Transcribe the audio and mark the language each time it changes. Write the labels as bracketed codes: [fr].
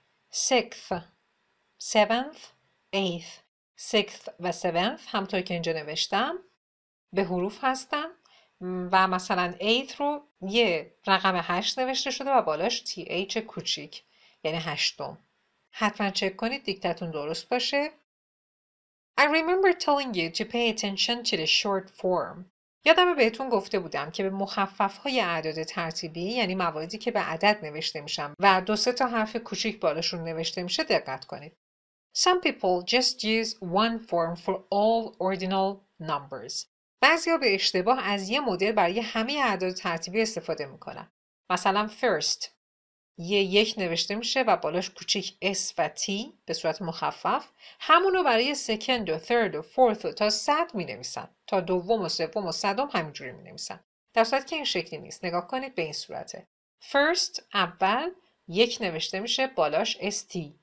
[en] 6th. 7th. 8th. [fa] 6th و 7th همطور که اینجا نوشتم به حروف هستن و مثلا 8th رو یه رقم 8 نوشته شده و بالاش TH کوچیک یعنی 8th. حتما چک کنید دیکتتون درست باشه. [en] I remember telling you to pay attention to the short form. [fa] یادم بهتون گفته بودم که به مخفف‌های اعداد ترتیبی یعنی مواردی که به عدد نوشته میشن و دو سه تا حرف کوچیک بالاشون نوشته میشه دقت کنید. [en] Some people just use one form for all ordinal numbers. [fa] بعضیا به اشتباه از یه مدل برای همه اعداد ترتیبی استفاده میکنن. مثلا first یه یک نوشته میشه و بالاش کوچیک s و t به صورت مخفف همونو برای second و third و fourth و تا صد می نویسن تا دوم و سوم و صدم همینجوری می نویسن در صورت که این شکلی نیست نگاه کنید به این صورته first اول یک نوشته میشه بالاش st